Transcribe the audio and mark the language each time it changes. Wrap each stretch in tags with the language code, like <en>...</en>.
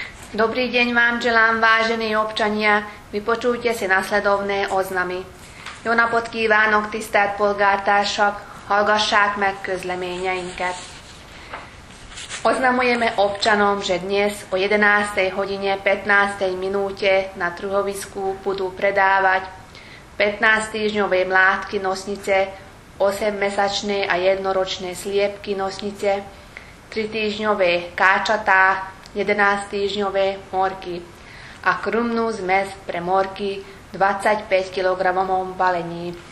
<sk>Dobrý deň vám želám, vážení občania. Vypočujte si nasledovné oznamy.</sk> <hu>Jó napot kívánok, tisztelt polgártársak! Hallgassák meg közleményeinket!</hu> <sk>Oznamujeme občanom, že dnes o 11. hodine 15. minúte na truhovisku budú predávať 15 týždňové mládky nosnice, 8-mesačné a jednoročné sliepky nosnice, 3 týždňové káčatá, 11 týždňové morky a krmnú zmes pre morky 25 kg balení.</sk>